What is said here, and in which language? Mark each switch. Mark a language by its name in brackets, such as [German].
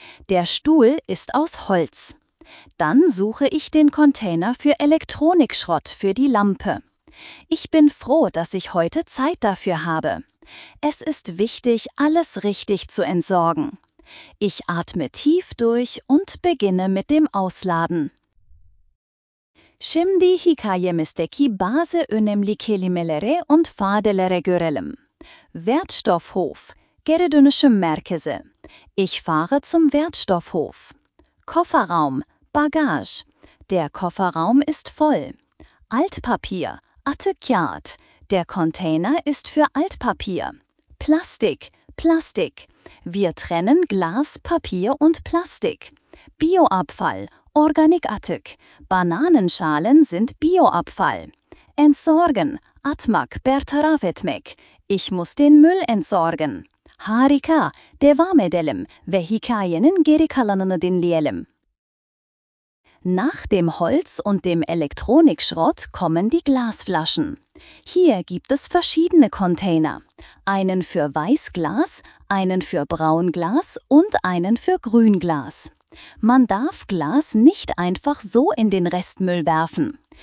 [German] Der Stuhl ist aus Holz. Dann suche ich den Container für Elektronikschrott für die Lampe. Ich bin froh, dass ich heute Zeit dafür habe. Es ist wichtig, alles richtig zu entsorgen. Ich atme tief durch und beginne mit dem Ausladen. [Turkish] Şimdi hikayemizdeki bazı önemli kelimelere und fadelere görelim. Wertstoffhof, geri dönüşüm merkezi. [German] Ich fahre zum Wertstoffhof. Kofferraum, Bagage. Der Kofferraum ist voll. Altpapier, [Turkish] Atık kağıt. [German] Der Container ist für Altpapier. Plastik, Plastik. Wir trennen Glas, Papier und Plastik. Bioabfall, [Turkish] Organik Atık. [German] Bananenschalen sind Bioabfall. Entsorgen, [Turkish] Atmak, bertaraf etmek. [German] Ich muss den Müll entsorgen. [Turkish] Harika, devam edelim ve hikayenin geri kalanını dinleyelim. [German] Nach dem Holz und dem Elektronikschrott kommen die Glasflaschen. Hier gibt es verschiedene Container. Einen für Weißglas, einen für Braunglas und einen für Grünglas. Man darf Glas nicht einfach so in den Restmüll werfen.